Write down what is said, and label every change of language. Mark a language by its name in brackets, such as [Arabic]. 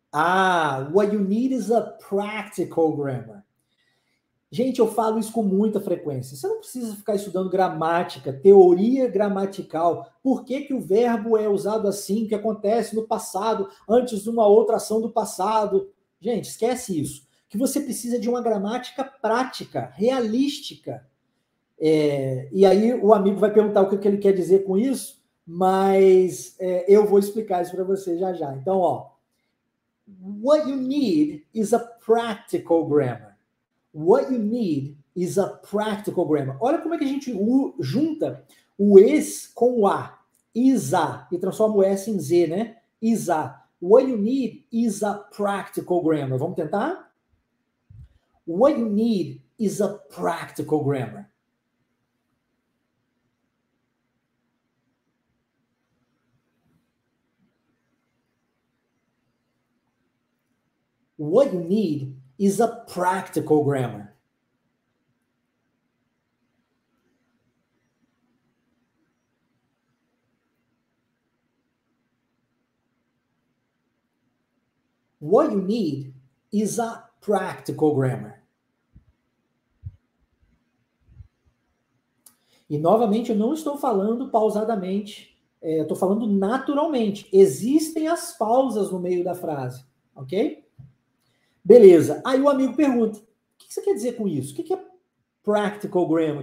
[English] Ah, what you need is a practical grammar. [Portuguese] Gente, eu falo isso com muita frequência. Você não precisa ficar estudando gramática, teoria gramatical. Por que que o verbo é usado assim, que acontece no passado, antes de uma outra ação do passado? Gente, esquece isso. O que você precisa é de uma gramática prática, realística. E aí o amigo vai perguntar o que ele quer dizer com isso. Mas eu vou explicar isso para você já já. Então, ó. [English] What you need is a practical grammar. What you need is a practical grammar. [Portuguese] Olha como é que a gente junta o is com o a. [English] Is a. [Portuguese] E transforma o S em Z, né? Is a. [English] What you need is a practical grammar. [Portuguese] Vamos tentar? [English] What you need is a practical grammar. What you need is a practical grammar. What you need is a practical grammar. [Portuguese] E novamente, eu não estou falando pausadamente, eu estou falando naturalmente. Existem as pausas no meio da frase, ok? Beleza. Aí o amigo pergunta: o que você quer dizer com isso? O que é practical grammar?